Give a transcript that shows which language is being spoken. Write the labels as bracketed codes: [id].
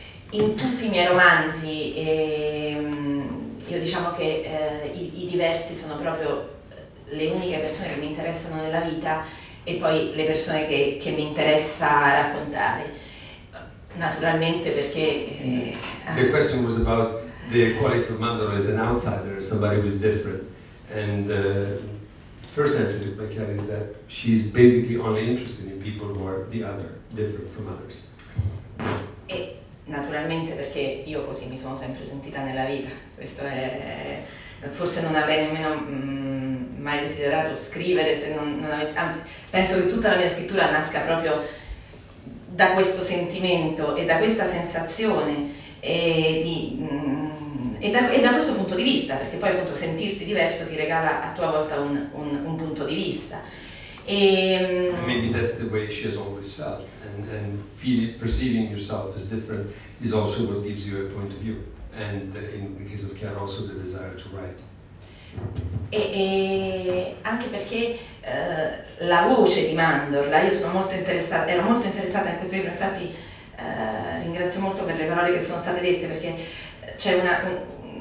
[it] In tutti i miei romanzi, io diciamo che i diversi sono proprio le uniche persone che mi interessano nella vita e poi le persone che mi interessa raccontare. Naturalmente perché... [en] The question was about the quality of Mandela as an outsider, somebody who is different. And the first answer to my cat is that she's basically only interested in people who are the other, different from others. [it] Naturalmente perché io così mi sono sempre sentita nella vita, questo è forse non avrei nemmeno mai desiderato scrivere se non avessi, anzi penso che tutta la mia scrittura nasca proprio da questo sentimento e da questa sensazione e da questo punto di vista, perché poi appunto sentirti diverso ti regala a tua volta un punto di vista. [en] Maybe that's the way she has always felt, and feeling, perceiving yourself as different is also what gives you a point of view, and in the case of Chiara, also the desire to write. [it] E anche perché la voce di Mandorla, io sono molto interessata, ero molto interessata in questo libro, infatti ringrazio molto per le parole che sono state dette, perché c'è una...